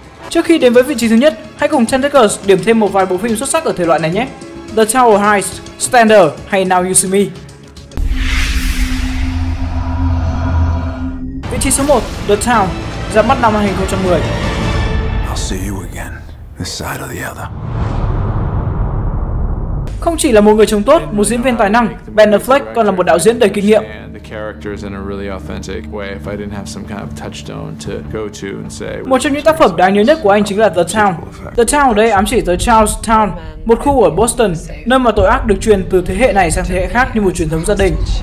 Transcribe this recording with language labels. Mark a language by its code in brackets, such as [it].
[vi] Trước khi đến với vị trí thứ nhất, hãy cùng Tentacles điểm thêm một vài bộ phim xuất sắc ở thể loại này nhé. The Tower Heist, Stander hay Now You See Me. Vị trí số 1, The Town, ra mắt năm 2010. [en] I'll see you again, this side or the other. [vi] Không chỉ là một người chồng tốt, một diễn viên tài năng, Ben Affleck còn là một đạo diễn đầy kinh nghiệm. Một trong những tác phẩm đáng nhớ nhất của anh chính là The Town. The Town ở đây ám chỉ tới Charlestown, một khu ở Boston, nơi mà tội ác được truyền từ thế hệ này sang thế hệ khác như một truyền thống gia đình.